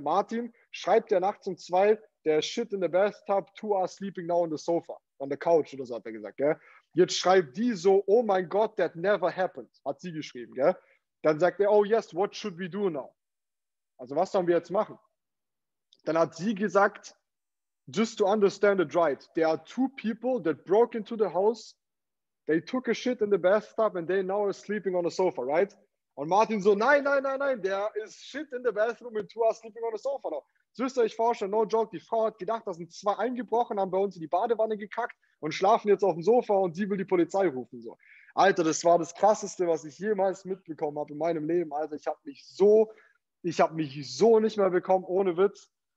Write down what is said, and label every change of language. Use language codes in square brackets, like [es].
[de] Martin schreibt der nachts um 2: [en] There is shit in the bathtub, two are sleeping now on the sofa. On the couch [de] oder so hat er gesagt. Gell? Jetzt schreibt die so: Oh mein Gott, [en] that never happened. [de] Hat sie geschrieben. Gell? Dann sagt er: [en] Oh yes, what should we do now? [de] Also was sollen wir jetzt machen? Dann hat sie gesagt: [en] Just to understand it right, there are two people that broke into the house, they took a shit in the bathtub and they now are sleeping on the sofa, right? [de] Und Martin so: Nein, nein, nein, [en] nein, there is shit in the bathroom and two are sleeping on the sofa now. [de] Müsst ihr euch vorstellen, [en] no joke, [de] die Frau hat gedacht, da sind 2 eingebrochen, haben bei uns in die Badewanne gekackt und schlafen jetzt auf dem Sofa und sie will die Polizei rufen. So. Alter, das war das Krasseste, was ich jemals mitbekommen habe in meinem Leben. Alter, ich habe mich so nicht mehr bekommen, ohne Witz.